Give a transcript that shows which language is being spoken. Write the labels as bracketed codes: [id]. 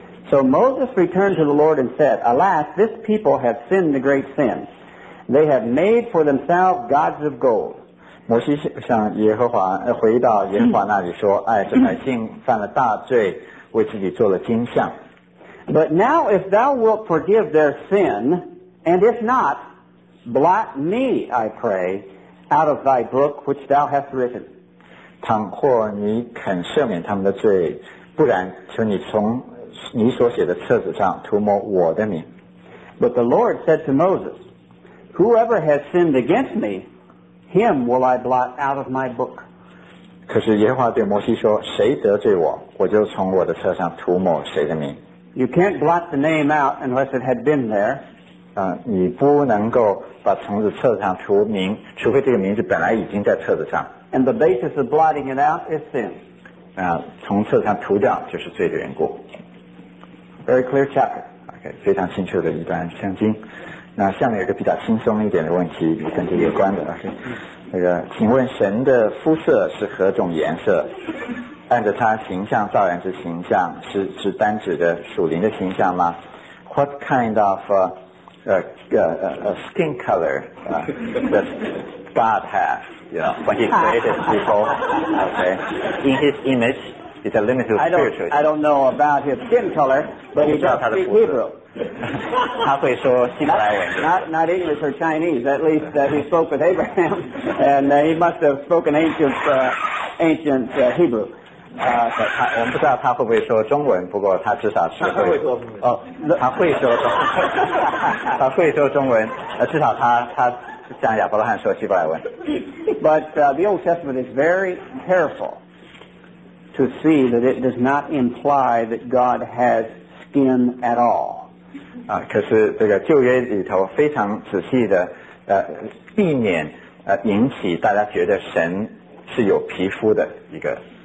[en] So Moses returned to the Lord and said, Alas, this people have sinned a great sin. They have made for themselves gods of gold. [zh] 摩西向耶和华回到耶和华那里说，哎，这百姓犯了大罪，为自己做了金像。 [en] But now if thou wilt forgive their sin, and if not, blot me, I pray,out of thy book which thou hast written. [zh] 倘或你肯赦免他们的罪，不然求你从你所写的册子上涂抹我的名。 [en] But the Lord said to Moses, Whoever has sinned against me, him will I blot out of my book. [zh] 可是耶和华对摩西说，谁得罪我，我就从我的册上涂抹谁的名。 [en] You can't blot the name out unless it had been there. [zh] 你不能够把从册子上除名，除非这个名字本来已经在册子上。 [en] And the basis of blotting it out is sin. [zh] 从册子上除掉就是罪的缘故。 [en] Very clear chapter. [zh] Okay, 非常清楚的一段圣经。那下面有个比较轻松一点的问题，跟这个有关的。 Okay, 请问神的肤色是何种颜色？按着他形象造人之形象，是单指的属灵的形象吗 ？ [en] What kind of skin color that God has, you know, when he created people, okay, in his image, it's a limited spiritual. I don't know about his skin color, but he does speak Hebrew. [zh] 他会说希伯来文。 [en] Not English or Chinese, at least that he spoke with Abraham, and he must have spoken ancient Hebrew. [zh] 我们不知道他会不会说中文，不过他至少是会。他会说中文，至少他像亚伯拉罕说希伯来文。 [en] But the Old Testament is very careful to see that it does not imply that God has skin at all. [zh] 可是这个旧约里头非常仔细的避免引起大家觉得神是有皮肤的一个。